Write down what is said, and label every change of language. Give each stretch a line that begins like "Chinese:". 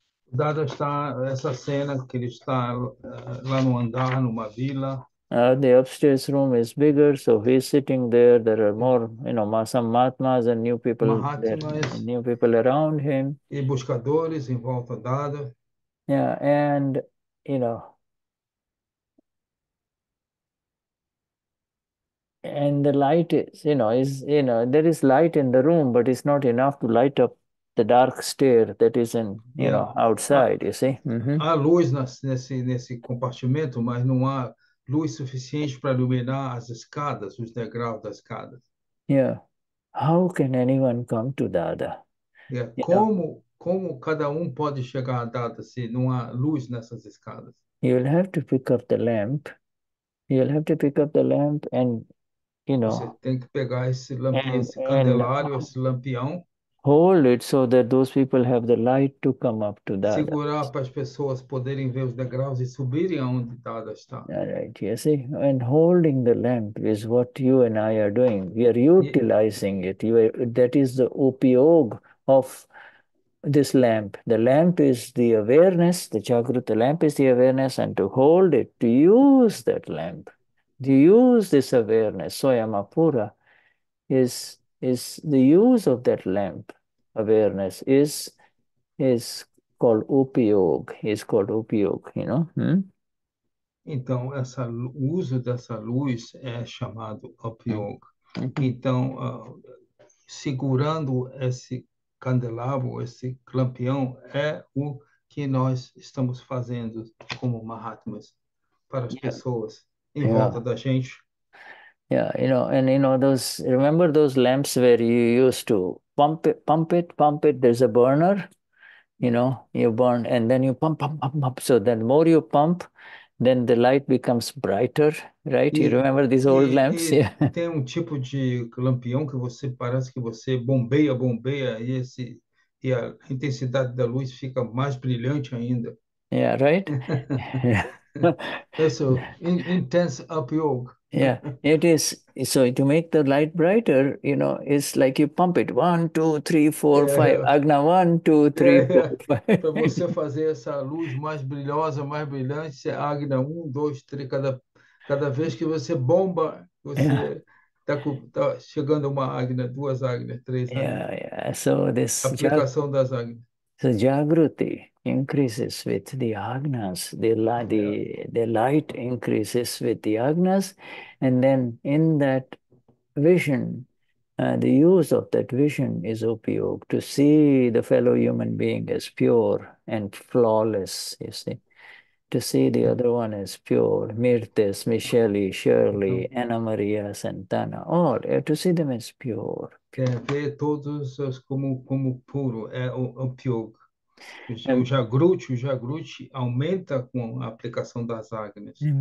Portuguese: Dada está essa cena que ele está lá no andar numa vila.
English: The upstairs room is bigger, so he's sitting there. There are more, some Mahatmas and new people, Mahatmas, there, new people around him.
Portuguese: E buscadores em volta dada.
English: Yeah, and the light is, there is light in the room, but it's not enough to light up the dark stair that is in, outside, you see?
Portuguese: Há luz nesse compartimento, mas não há luz suficiente para iluminar as escadas, os degraus das escadas.
English: Yeah. How can anyone come to Dada? Yeah.
Portuguese: Como cada um pode chegar a Dada se não há luz nessas escadas?
English: You'll have to pick up the lamp. You'll have to pick up the lamp and,
Portuguese: Você tem que pegar esse lampião, esse candelário, esse lampião.
English: Hold it so that those people have the light to come up to Dada.
Portuguese: Segurar para as pessoas poderem ver os degraus e subirem aonde Dada está.
English: All right, you see? And holding the lamp is what you and I are doing. We are utilizing it. That is the upayog of this lamp. The lamp is the awareness, the Jagruti lamp is the awareness, and to hold it, to use that lamp, to use this awareness, soyama pura, is the use of that lamp, awareness, is called upayog, is called upayog,
Portuguese: Então, essa uso dessa luz é chamado upayog. Então, segurando esse candelabro, esse lampião, é o que nós estamos fazendo como Mahatmas para as pessoas em volta da gente.
English: Yeah, remember those lamps where you used to pump it, there's a burner, you burn, and then you pump, pump, pump, pump. So then the more you pump, then the light becomes brighter, right? You remember these old lamps?
Portuguese: E tem um tipo de lampião que você parece que você bombeia, bombeia, e a intensidade da luz fica mais brilhante ainda.
English: Yeah, right?
Portuguese: Isso,
English: intense
Portuguese: upyog.
English: Yeah, it is. So to make the light brighter, it's like you pump it. 1, 2, 3, 4, 5. Agna, 1, 2, 3, 4, 5.
Portuguese: Para você fazer essa luz mais brilhosa, mais brilhante, é Agna 1, 2, 3, cada vez que você bomba, você tá chegando uma Agna, duas Agnas, três Agnas.
English: So this
Portuguese: Aplicação das Agnas.
English: So Jagruti increases with the agnas, the light increases with the agnas, and then in that vision, the use of that vision is upayog, to see the fellow human being as pure and flawless, you see, to see the other one as pure, Mirtes, Michele, Shirley, Ana Maria, Santana, all, to see them as pure.
Portuguese: Ver todos como puro, é o upayog. O Jagruti aumenta com a aplicação das Agnes.